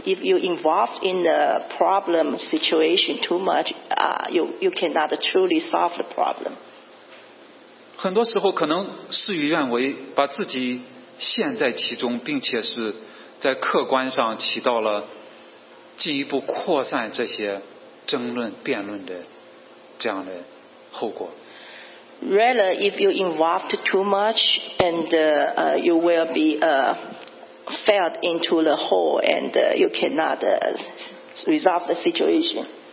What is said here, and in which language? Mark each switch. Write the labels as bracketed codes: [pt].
[en] if you involved in the problem situation too much, you cannot truly solve the problem. [zh] 很多时候可能事与愿违，把自己陷在其中，并且是在客观上起到了进一步扩散这些争论辩论的这样的后果。 [en] Rather, if you involved too much, and you will be felt into the hole, and you cannot resolve the situation.